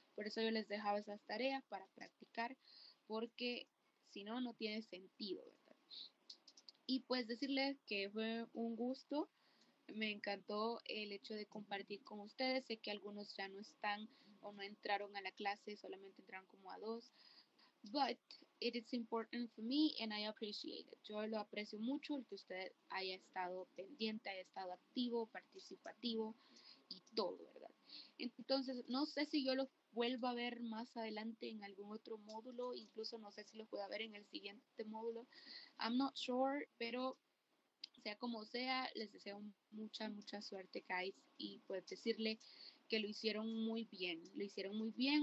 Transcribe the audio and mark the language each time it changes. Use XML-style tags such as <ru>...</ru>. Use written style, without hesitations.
<es>Por eso yo les dejaba esas tareas para practicar, porque si no, no tiene sentido, ¿verdad? Y pues decirles que fue un gusto, me encantó el hecho de compartir con ustedes. Sé que algunos ya no están o no entraron a la clase, solamente entraron como a dos.</es> <en>But it is important for me and I appreciate it.</en> <es>Yo lo aprecio mucho el que usted haya estado pendiente, haya estado activo, participativo y todo, ¿verdad? Entonces, no sé si yo los vuelvo a ver más adelante en algún otro módulo, incluso no sé si los pueda ver en el siguiente módulo.</es> <en>I'm not sure,</en> <es>pero sea como sea, les deseo mucha, mucha suerte, guys, y pues decirle que lo hicieron muy bien, lo hicieron muy bien.</es>